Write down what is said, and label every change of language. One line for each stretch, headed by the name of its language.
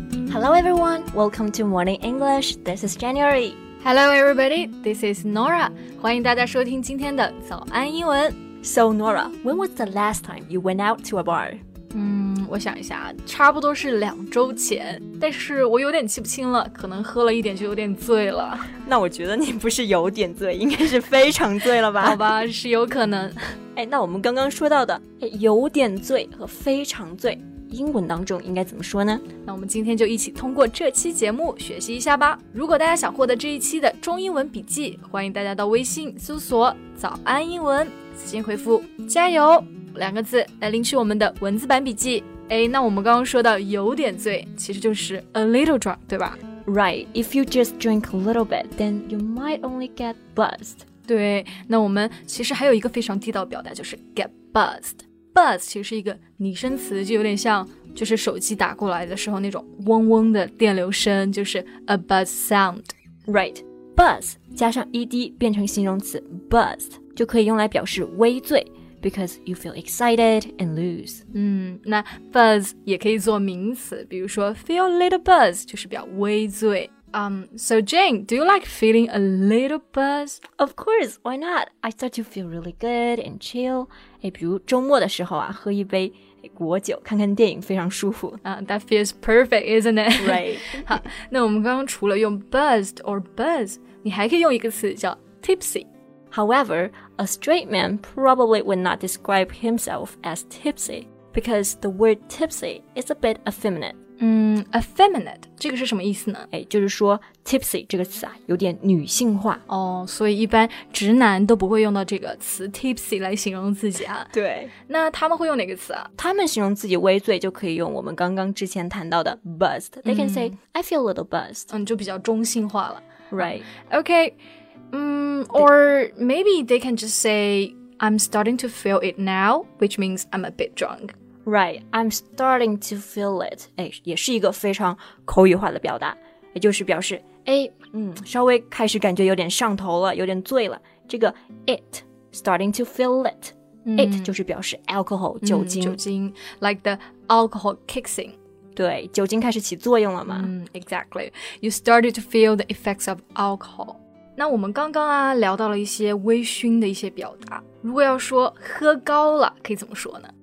English: Hello everyone, welcome to Morning English, this is January. Hello everybody, this is Nora.
Chinese: 欢迎大家收听今天的早安英文。
English: So Nora, when was the last time you went out to a bar?
Chinese: 我想一下，差不多是两周前，但是我有点记不清了，可能喝了一点就有点醉了。那我觉得你不是有点醉，应该是非常醉了吧？好吧，是有可能。哎，那我们刚刚说到的，有点醉和非常醉，英文当中应该怎么说呢？那我们今天就一起通过这期节目学习一下吧。如果大家想获得这一期的中英文笔记，欢迎大家到微信搜索早安英文，私信回复加油两个字来领取我们的文字版笔记。哎，那我们刚刚说到有点醉，其实就是
English: a little drunk,
Chinese: 对吧？
English: Right, if you just drink a little bit, then you might only get buzzed.
Chinese: 对，那我们其实还有一个非常地道表达，就是 get buzzed。 Buzz 其实是一个拟声词，就有点像就是手机打过来的时候那种嗡嗡的电流声，就是
English: a buzz sound.
Chinese: Right, buzz 加上 ed 变成形容词 buzzed, 就可以用来表示微醉。
English: Because you feel excited and loose.
Chinese: 那 buzz 也可以做名词，比如说
English: feel a little buzz
Chinese: 就是表微醉。
English: So Jane, do you like feeling a little buzz? Of course, why not? I start to feel really good and chill.
Chinese: 比如周末的时候啊，喝一杯果酒，看看电影，非常舒服。
English: That feels perfect, isn't it? Right.
Chinese: 好，那我们刚刚除了用 buzzed or buzz, 你还可以用一个词叫 tipsy。
English: However, a straight man probably would not describe himself as tipsy because the word tipsy is a bit effeminate.
Chinese: Effeminate, 这个是什么意思呢？就是说 tipsy 这个词啊，有点女性化。所以一般直男都不会用到这个词 tipsy 来形容自己啊。对。那他们会用哪个词啊？他们形容自己微醉就可以用我们刚刚之前谈到的 buzzed.
English: They can say, I feel a little buzzed.
Chinese: 就比较中性化了。
English: Right. Okay. Or maybe they can just say, I'm starting to feel it now, which means I'm a bit drunk. Right, I'm starting to feel it.
Chinese: 也是一个非常口语化的表达，也就是表示，稍微开始感觉有点上头了，有点醉了。这个 it,
English: starting to feel it,
Chinese: it 就是表示 alcohol, 酒精。
English: 酒精, like the alcohol kicks in.
Chinese: 对，酒精开始起作用了嘛。
English: Exactly, you started to feel the effects of alcohol.
Chinese: 那我们刚刚啊聊到了一些微醺的一些表达，如果要说喝高了可以怎么说呢？